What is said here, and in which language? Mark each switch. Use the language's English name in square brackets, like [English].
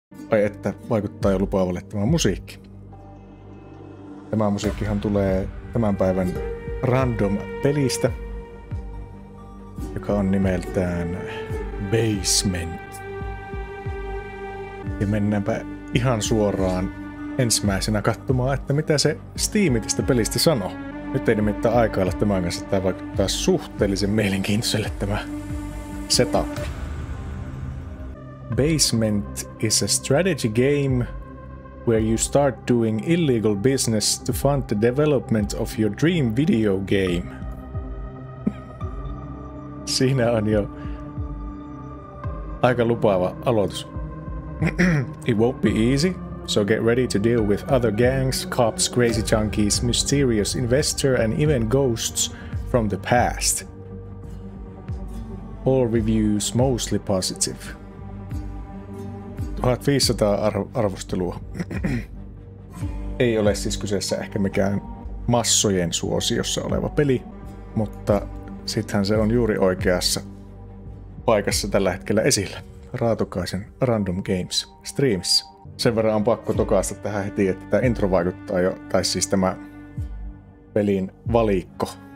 [Finnish] Ai että, vaikuttaa jo lupaavalle tämä musiikki. Tämä musiikkihan tulee tämän päivän random pelistä, joka on nimeltään Basement. Ja mennäänpä ihan suoraan ensimmäisenä katsomaan, että mitä se Steami tästä pelistä sanoo. Nyt ei nimittäin aikailla tämän kanssa, tämä vaikuttaa suhteellisen mielenkiintoiselle tämä setup. [English] Basement is a strategy game where you start doing illegal business to fund the development of your dream video game. [Finnish] Siinä on jo aika lupaava aloitus. [English] It won't be easy, so get ready to deal with other gangs, cops, crazy junkies, mysterious investor and even ghosts from the past. All reviews mostly positive. [Finnish] 1500 arvostelua. Ei ole siis kyseessä ehkä mikään massojen suosiossa oleva peli, mutta sittenhän se on juuri oikeassa paikassa tällä hetkellä esillä. Raatokaisen Random Games streamissä. Sen verran on pakko tokaista tähän heti, että tämä intro vaikuttaa jo, tai siis tämä pelin valikko.